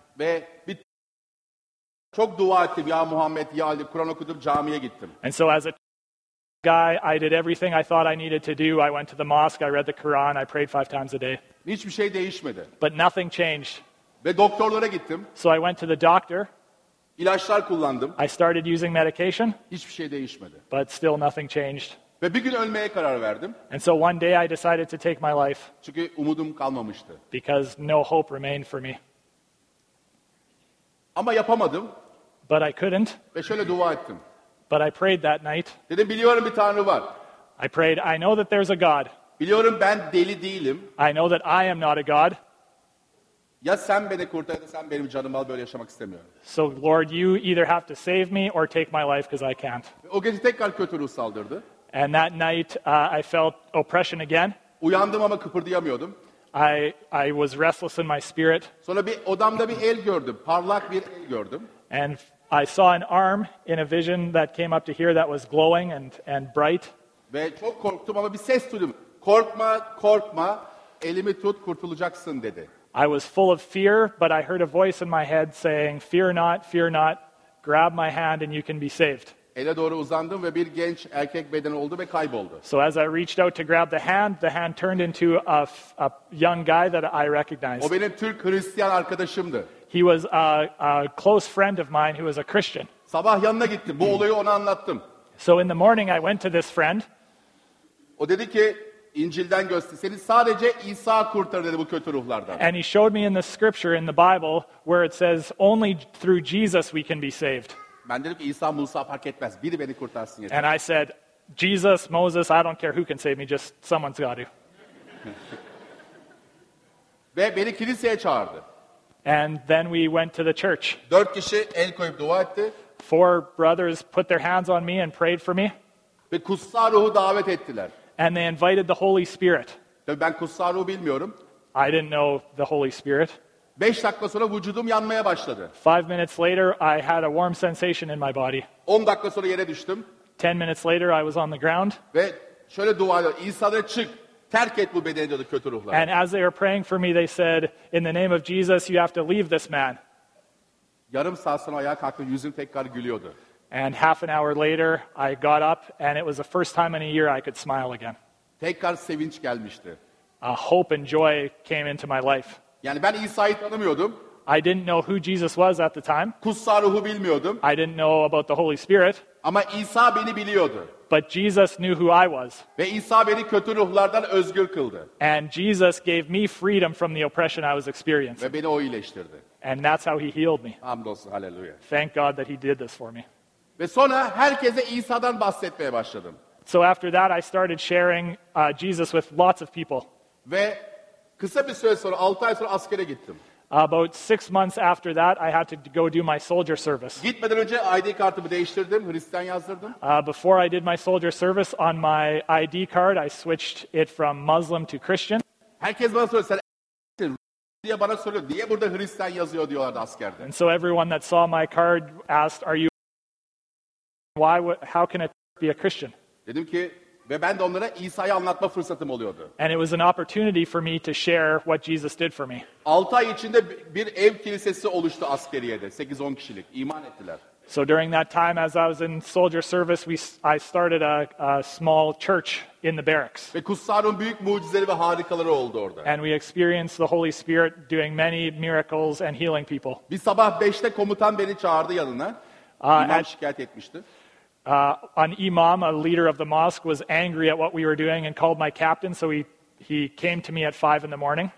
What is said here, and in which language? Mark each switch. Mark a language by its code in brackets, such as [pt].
[tr] Ve bir çok dua ettim ya Muhammed ya Ali, Kur'an okudum, camiye gittim. [en] And so as a guy, I did everything I thought I needed to do. I went to the mosque, I read the Quran, I prayed 5 times a day. [tr] Hiçbir şey değişmedi. [en] But nothing changed. [tr] Ve doktorlara gittim. [en] So I went to the doctor. [tr] İlaçlar kullandım. [en] I started using medication. [tr] Hiçbir şey değişmedi. [en] But still nothing changed. [tr] Ve bir gün ölmeye karar verdim. [en] And so one day I decided to take my life. [tr] Çünkü umudum kalmamıştı. [en] Because no hope remained for me. [tr] Ama yapamadım. [en] But I couldn't. [tr] Ve şöyle dua ettim. [en] But I prayed that night. [tr] Dedim, biliyorum bir tanrı var. [en] I prayed, I know that there's a God. [tr] Biliyorum ben deli değilim. [en] I know that I am not a God. [tr] Ya sen beni kurtar ya da sen benim canımı al, böyle yaşamak istemiyorum. [en] So Lord, you either have to save me or take my life because I can't. [tr] O gece tekrar kötü ruh saldırdı. [en] And that night I felt oppression again. [tr] Uyandım ama kıpırdayamıyordum. [en] I was restless in my spirit. [tr] Sonra bir odamda bir el gördüm. Parlak bir el gördüm. [en] And I saw an arm in a vision that came up to here that was glowing and bright. [tr] Ve çok korktum ama bir ses duydum. Korkma, korkma. Elimi tut, kurtulacaksın dedi. [en] I was full of fear, but I heard a voice in my head saying, fear not, grab my hand and you can be saved. [tr] Ele doğru uzandım ve bir genç erkek beden oldu ve kayboldu. [en] So as I reached out to grab the hand turned into a young guy that I recognized. [tr] O benim Türk Hristiyan arkadaşımdı. [en] He was a close friend of mine who was a Christian. [tr] Sabah yanına gittim, bu olayı ona anlattım. [en] So in the morning I went to this friend. [tr] O dedi ki, İncil'den göster. Seni sadece İsa kurtarır dedi bu kötü ruhlardan. [en] And he showed me in the scripture in the Bible where it says only through Jesus we can be saved. [tr] Ben dedim ki İsa Musa fark etmez. Biri beni kurtarsın yeter. [en] And I said, Jesus, Moses, I don't care who can save me, just someone's got to. [tr] Ve beni kiliseye çağırdı. [en] And then we went to the church. [tr] 4 kişi el koyup dua etti. [en] 4 brothers put their hands on me and prayed for me. [tr] Ve kutsal ruhu davet ettiler. [en] And they invited the Holy Spirit. [tr] Tabii ben kutsal ruhu bilmiyorum. [en] I didn't know the Holy Spirit. [tr] 5 dakika sonra vücudum yanmaya başladı. [en] 5 minutes later I had a warm sensation in my body. [tr] 10 dakika sonra yere düştüm. [en] 10 minutes later I was on the ground. [tr] Ve şöyle dua ediyor. İsa'da çık. Terk et bu bedeni diyordu kötü ruhlar. [en] And as they were praying for me they said in the name of Jesus you have to leave this man. [tr] Yarım saat sonra ayağa kalktım, yüzüm tekrar gülüyordu. [en] And half an hour later I got up and it was the first time in a year I could smile again. [tr] Tekrar sevinç gelmişti. [en] A hope and joy came into my life. [tr] Yani ben İsa'yı tanımıyordum. [en] I didn't know who Jesus was at the time. [tr] Kutsal ruhu bilmiyordum. [en] I didn't know about the Holy Spirit. [tr] Ama İsa beni biliyordu. [en] But Jesus knew who I was. [tr] Ve İsa beni kötü ruhlardan özgür kıldı. [en] And Jesus gave me freedom from the oppression I was experiencing. [tr] Ve beni o iyileştirdi. [en] And that's how he healed me. [tr] Hamdolsun, hallelujah. [en] Thank God that he did this for me. [tr] Ve sonra herkese İsa'dan bahsetmeye başladım. [en] So after that I started sharing Jesus with lots of people. [tr] Ve kısa bir süre sonra 6 ay sonra askere gittim. [en] About 6 months after that, I had to go do my soldier service. [tr] Gitmeden önce ID kartımı değiştirdim, Hristiyan yazdırdım. [en] Before I did my soldier service, on my ID card, I switched it from Muslim to Christian. [tr] Herkes bana soruyor, sen a**sin diye bana soruyor, niye burada Hristiyan yazıyor diyorlardı askerde. [en] And so everyone that saw my card asked, are you a**sin? Why, how can it be a Christian? [tr] Dedim ki, ve ben de onlara İsa'yı anlatma fırsatım oluyordu. [en] And it was an opportunity for me to share what Jesus did for me. [tr] 6 ay içinde bir ev kilisesi oluştu askeriyede. 8-10 kişilik iman ettiler. [en] So during that time as I was in soldier service I started a small church in the barracks. [tr] Ve kutsal ruhun büyük mucizeleri ve harikaları oldu orada. [en] And we experienced the Holy Spirit doing many miracles and healing people. [tr] Bir sabah 5'te komutan beni çağırdı yanına. İmam şikayet etmişti. [en] An imam, a leader of the mosque, was angry at what we were doing and called my captain, so he came to me at 5 in the morning.